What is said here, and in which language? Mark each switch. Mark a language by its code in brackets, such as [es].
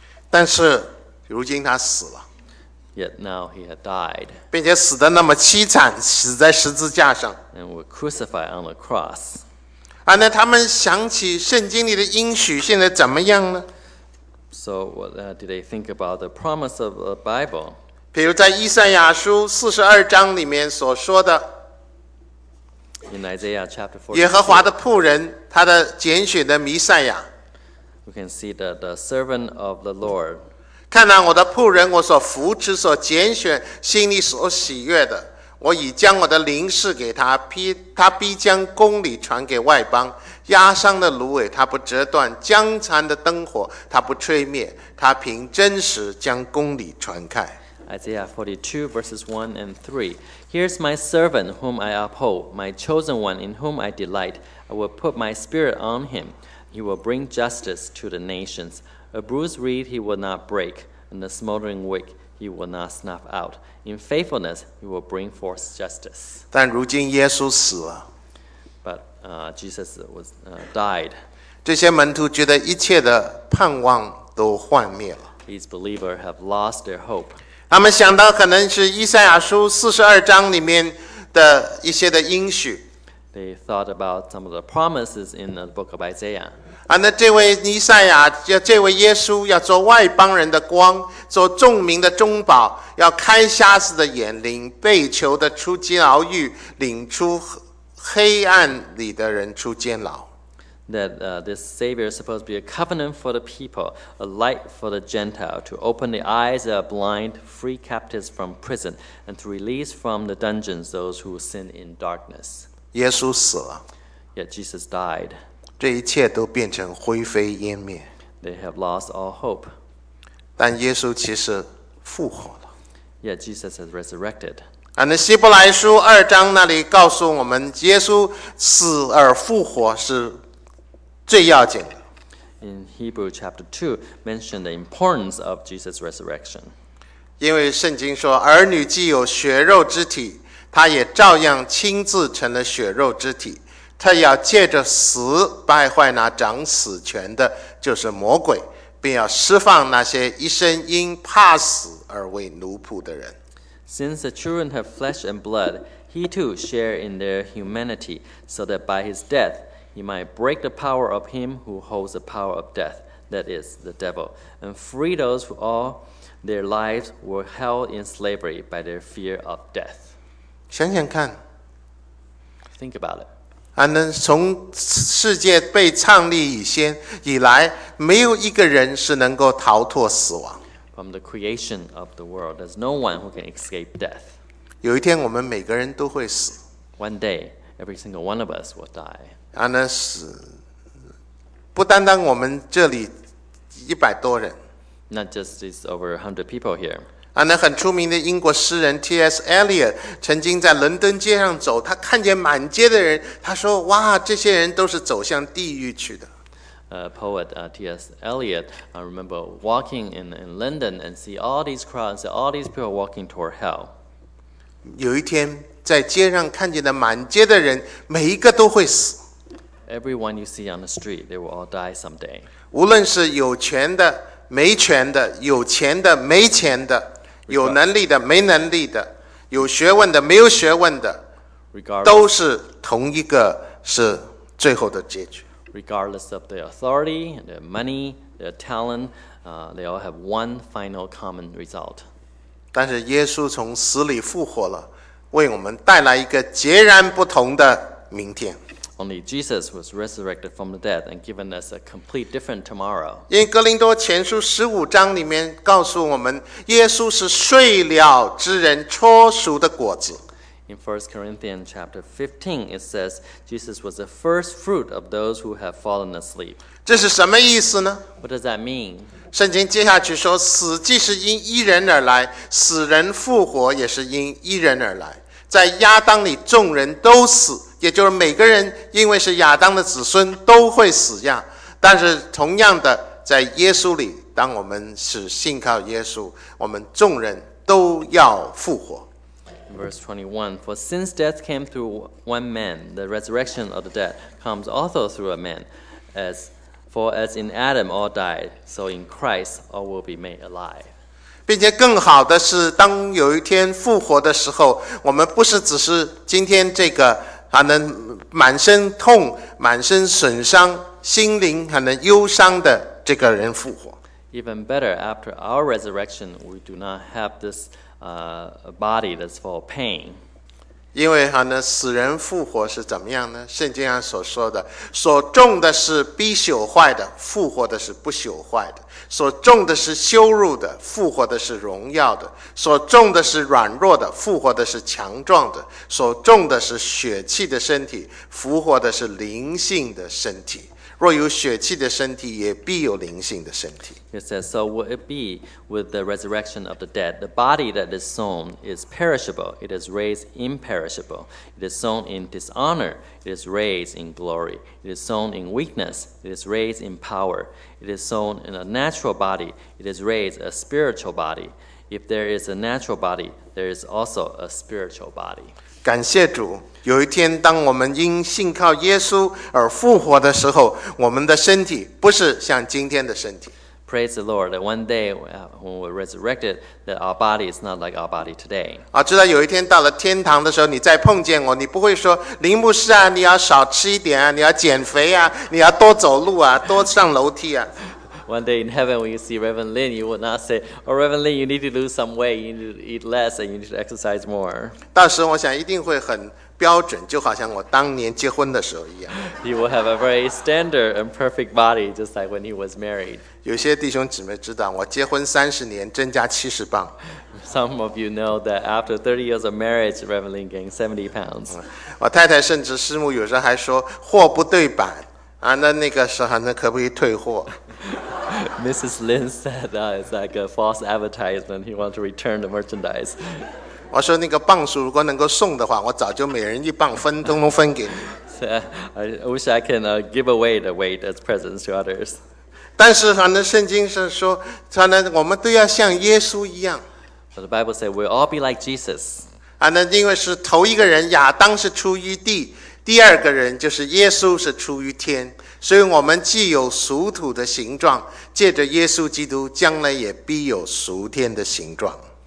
[zh] 但是如今他死了。 [en] Yet now he had died. [zh] 并且死得那么凄惨，死在十字架上。 [en] And were crucified on the cross. [zh] 啊，那他们想起圣经里的应许，现在怎么样呢 [en] ？So what did they think about the promise of the Bible? [zh] 比如在以赛亚书四十二章里面所说的。 [en] In Isaiah chapter 42, [zh] 耶和华的仆人，他的拣选的弥赛亚。 [en] We can see the servant of the Lord. [zh] 看到我的仆人，我所扶持、所拣选、心里所喜悦的，我已将我的灵赐给他，他必将公理传给外邦。压伤的芦苇他不折断，将残的灯火他不吹灭，他凭真实将公理传开。 [en] Isaiah 42 verses 1 and 3. Here's my servant whom I uphold, my chosen one in whom I delight. I will put my spirit on him. He will bring justice to the nations. A bruised reed he will not break, and a smoldering wick he will not snuff out. In faithfulness he will bring forth justice. [zh] 但如今耶稣死了。 [en] But Jesus was died. [zh] 这些门徒觉得一切的盼望都幻灭了。 [en] These believers have lost their hope. [zh] 他们想到可能是以赛亚书42章里面的一些的应许。 [en] They thought about some of the promises in the book of Isaiah. [zh] 啊，那这位弥赛亚，这位耶稣要做外邦人的光，做众民的中保，要开瞎子的眼，领被囚的出监牢狱，领出黑暗里的人出监牢。 [en] That this Savior is supposed to be a covenant for the people, a light for the Gentile, to open the eyes of blind, free captives from prison, and to release from the dungeons those who sin in darkness. [zh] 耶稣死了。 [en] Yet Jesus died. [zh] 这一切都变成灰飞烟灭。 [en] They have lost all hope. [zh] 但耶稣其实复活了。 [en] Yet Jesus has resurrected. And [zh] 希伯来书二章那里告诉我们，耶稣死而复活是。最要紧的。 [en] In Hebrews chapter 2, mentioned the importance of Jesus' resurrection. [zh] 因为圣经说，儿女既有血肉之体，他也照样亲自成了血肉之体，他要借着死败坏那掌死权的，就是魔鬼，并要释放那些一生因怕死而为奴仆的人。 [en] Since the children have flesh and blood, he too share in their humanity, so that by his death,He might break the power of him who holds the power of death, that is, the devil, and free those who all their lives were held in slavery by their fear of death. [zh] 想想看。 [en] Think about it. [zh] 从世界被创立以来，没有一个人是能够逃脱死亡。 [en] From the creation of the world, there's no one who can escape death. [zh] 有一天我们每个人都会死。 [en] One day, every single one of us will die. [zh] 不单单我们这里一百多人 [en] Not just these over 100 people here [zh] 很出名的英国诗人 T.S. Eliot 曾经在伦敦街上走他看见满街的人他说哇这些人都是走向地狱去的 [en] Poet T.S. Eliot I remember walking in London and see all these crowds all these people walking toward hell [zh] 有一天在街上看见的满街的人每一个都会死 [en] Everyone you see on the street, they will all die someday. [zh] 无论是有权的、没权的、有钱的、没钱的、有能力的、没能力的、有学问的、没有学问的，都是同一个是最后的结局。 [en] regardless of their authority, their money, their talent, they all have one final common result. [zh] 但是耶稣从死里复活了，为我们带来一个截然不同的明天。 [en] Only Jesus was resurrected from the dead and given us a complete different tomorrow. [zh] 因为哥林多前书十五章里面告诉我们，耶稣是睡了之人初熟的果子。 [en] In 1 Corinthians chapter 15, it says Jesus was the first fruit of those who have fallen asleep. [zh] 这是什么意思呢？ [en] What does that mean? [zh] 圣经接下去说，死既是因一人而来，死人复活也是因一人而来。在亚当里，众人都死。也就是每个人因为是亚当的子孙都会死呀，但是同样的，在耶稣里，当我们是信靠耶稣，我们众人都要复活。 [en] Verse 21, for since death came through one man, the resurrection of the dead comes also through a man. For as in Adam all died, so in Christ all will be made alive. [zh] 并且更好的是，当有一天复活的时候，我们不是只是今天这个还能满身痛、满身损伤、心灵还能忧伤的这个人复活。 [en] Even better, after our resurrection, we do not have this body that's for pain. [zh] 因为还能死人复活是怎么样呢？圣经上所说的，所中的是必朽坏的，复活的是不朽坏的。所中的是羞辱的，复活的是荣耀的；所中的是软弱的，复活的是强壮的；所中的是血气的身体，复活的是灵性的身体。若有血气的身体，也必有灵性的身体。 [en] It says, so will it be with the resurrection of the dead. The body that is sown is perishable; it is raised imperishable. It is sown in dishonor; it is raised in glory. It is sown in weakness; it is raised in power. It is sown in a natural body; it is raised a spiritual body. If there is a natural body, there is also a spiritual body. [zh] 感谢主，有一天当我们因信靠耶稣而复活的时候，我们的身体不是像今天的身体。 [en] Praise the Lord that one day when we're resurrected, that our body is not like our body today. [zh] 啊，知道有一天到了天堂的时候，你再碰见我，你不会说林牧师啊，你要少吃一点啊，你要减肥啊，你要多走路啊，多上楼梯啊。 [en] One day in heaven, when you see Reverend Lin, you would not say, "Oh, Reverend Lin, you need to lose some weight. You need to eat less, and you need to exercise more." [zh] 到时我想一定会很标准，就好像我当年结婚的时候一样。 [en] You will have a very standard and perfect body, just like when he was married. [zh] 有些弟兄姊妹知道，我结婚三十年，增加七十磅。 [en] Some of you know that after 30 years of marriage, Reverend Lin gained 70 pounds. [zh] 我太太甚至师母有时候还说货不对版啊，那个时候那可不可以退货？ [en] Mrs. Lin said that it's like a false advertisement. He wants to return the merchandise. [zh] 我说那个磅数如果能够送的话，我早就每人一磅分，通通分给你。 [en] So, I wish I can give away the weight as presents to others. [zh] 但是反正圣经是说，反正我们都要像耶稣一样。 [en] But the Bible said we'll all be like Jesus. [zh] 啊，那因为是头一个人亚当是出于地，第二个人就是耶稣是出于天。所以我们既有属土的形状，借着耶稣基督，将来也必有属天的形状。